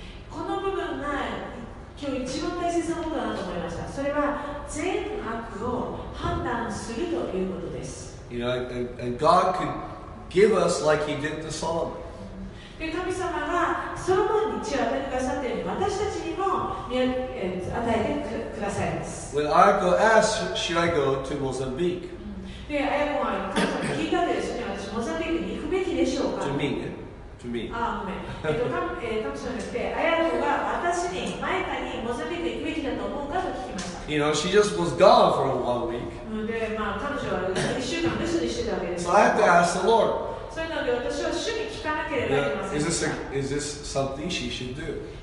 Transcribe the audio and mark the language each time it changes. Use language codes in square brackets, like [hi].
[ja] この部分が今日一番大切なことだなと思いました。それは善悪を判断するということです。 [en] You know, and God could give us like He did to Solomon. [ja] で神様がソロモンに血を与えてくださっているように私たちにも与えてくださいます。 [en] When I go ask, should I go to Mozambique? [ja] で、アヤコは聞いたでですね、私、モザンビークに行くべきでしょうか? [en] To me, [ja] ね。 [en] To me. [ja] ああ、ごめん。神様が言って、アヤコが私に、マイカにモザンビークに行くべきだと思うかと聞きました。 [en] You know, she just was gone for one week. [ja] で、彼女は1週間留守にしてたわけです。 [en] So I had to ask the Lord. [ja] それなので私は主に聞かれました。 [en] Is this something she should do?